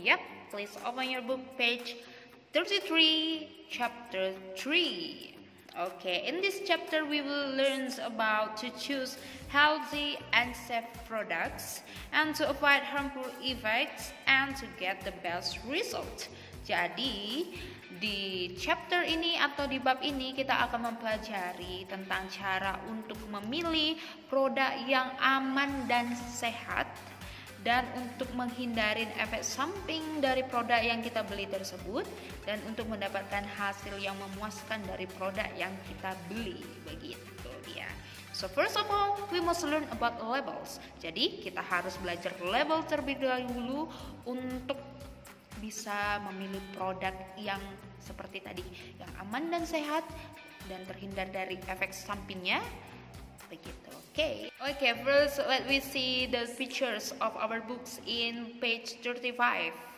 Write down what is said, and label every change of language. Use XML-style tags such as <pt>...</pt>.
<en>Yep, please open your book page 33, chapter 3. Okay, in this chapter, we will learn about to choose healthy and safe products and to avoid harmful effects and to get the best result.</en> <id>Jadi, di chapter ini atau di bab ini kita akan mempelajari tentang cara untuk memilih produk yang aman dan sehat dan untuk menghindari efek samping dari produk yang kita beli tersebut dan untuk mendapatkan hasil yang memuaskan dari produk yang kita beli. Begitu ya.</id> <en>So first of all, we must learn about labels.</en> <id>Jadi kita harus belajar label terlebih dahulu untuk bisa memilih produk yang seperti tadi, yang aman dan sehat dan terhindar dari efek sampingnya. Begitu.</id> <en>Okay, first let me see the pictures of our books in page 35.</en>